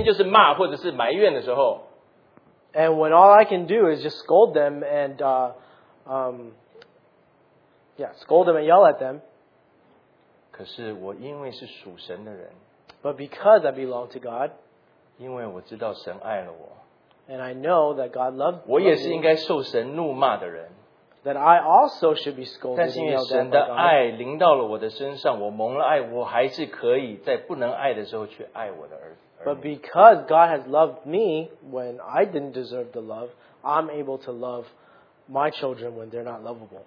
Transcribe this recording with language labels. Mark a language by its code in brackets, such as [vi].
[zh] 我可以只有口出怒语,然后呢,整天就是骂或者是埋怨的时候, [en] And when all I can do is just scold them and scold them and yell at them. [zh] 可是我因为是属神的人, [en] But because I belong to God, [zh] 因为我知道神爱了我, [en] And I know that God loved me, [zh] 我也是应该受神怒骂的人, [en] That I also should be scolded and yelled at by God. [zh] 但是因为神的爱临到了我的身上, 我蒙了爱, 我还是可以在不能爱的时候去爱我的儿子。 [en] But because God has loved me when I didn't deserve the love, I'm able to love my children when they're not lovable.